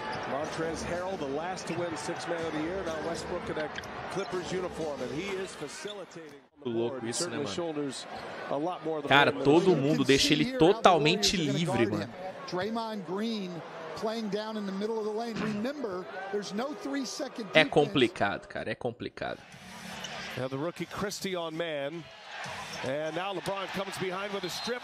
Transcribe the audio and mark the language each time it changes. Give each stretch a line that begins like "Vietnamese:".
English: Montrezl Harrell, the last to win sixth man of the year, now Westbrook in a Clippers uniform, and he is facilitating.
Portuguese: Louco isso, né, mano? Cara, todo mundo deixa ele totalmente livre, mano.
English: Draymond Green playing down in the middle of the lane. Remember, there's no 3 second defense.
Portuguese: É complicado, cara, é complicado.
English: Now the rookie Christie on man.
Portuguese: And now LeBron comes behind with a strip.